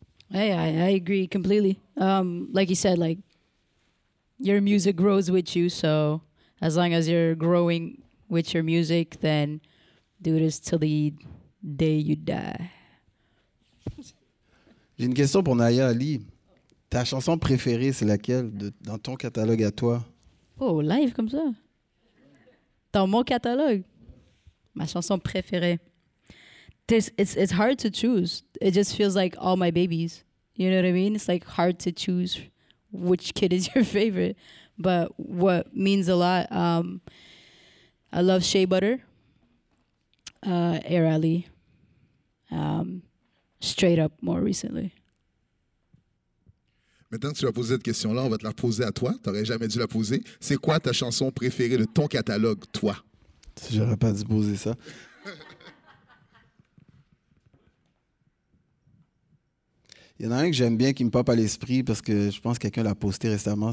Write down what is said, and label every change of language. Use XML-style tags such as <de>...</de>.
<en>Hey, I agree completely. Like you said, like, your music grows with you, so as long as you're growing with your music, then do this till the day you die.</en> <fr>J'ai une question pour Naya Ali. Ta chanson préférée, c'est laquelle de, dans ton catalogue à toi? Oh, live comme ça? Dans mon catalogue? Ma chanson préférée.</fr> <en>It's hard to choose. It just feels like all my babies. You know what I mean? It's like hard to choose which kid is your favorite. But what means a lot, I love Shea Butter, Air Ali, Straight Up more recently.</en> <fr>Maintenant que tu as posé cette question-là, on va te la poser à toi. Tu n'aurais jamais dû la poser. C'est quoi ta chanson préférée de ton catalogue, toi? Si j'aurais pas dû poser ça. Il y en a un que j'aime bien qui me pop à l'esprit parce que je pense que quelqu'un l'a posté récemment.</fr>